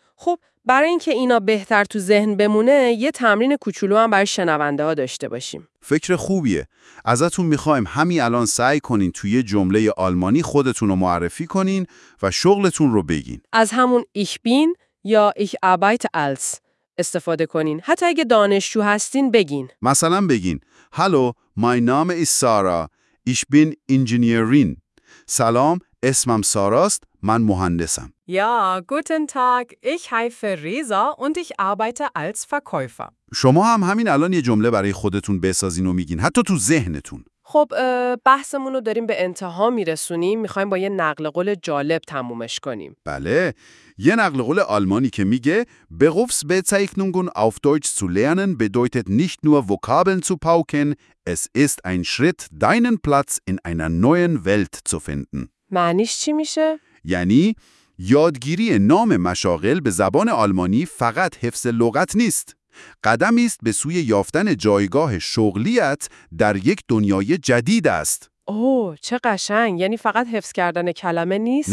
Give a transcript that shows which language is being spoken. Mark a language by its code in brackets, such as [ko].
[fa] خب، برای اینکه اینا بهتر تو ذهن بمونه، یه تمرین کوچولو هم برای شنونده ها داشته باشیم. فکر خوبیه. ازتون میخوایم همین الان سعی کنین توی یه جمله آلمانی خودتون رو معرفی کنین و شغلتون رو بگین. از همون [de] ich bin [fa] یا [de] ich arbeite als [fa] استفاده کنین. حتی اگه دانشجو هستین بگین. مثلا بگین: [de] "Hallo, mein Name ist Sarah. Ich bin Ingenieurin." [fa] سلام، اسمم ساراست، من مهندسم. [de] Ja, guten Tag. Ich heiße Reza und ich arbeite als Verkäufer. [fa] شما هم همین الان یه جمله برای خودتون بسازین و میگین، حتی تو ذهنتون. خب، بحثمون رو داریم به انتها میرسونیم. میخوایم با یه نقل قول جالب تمومش کنیم. بله. یه نقل قول آلمانی که میگه [de] Berufs Bezeichnungen auf Deutsch zu lernen bedeutet nicht nur Vokabeln zu pauken, es ist ein Schritt, deinen Platz in einer neuen Welt zu finden. [fa] معنیش چی میشه؟ یعنی یادگیری نام مشاغل به زبان آلمانی فقط حفظ لغت نیست. قدمی است به سوی یافتن جایگاه شغلیت در یک دنیای جدید است. اوه، چه قشنگ. یعنی فقط حفظ کردن کلمه نیست؟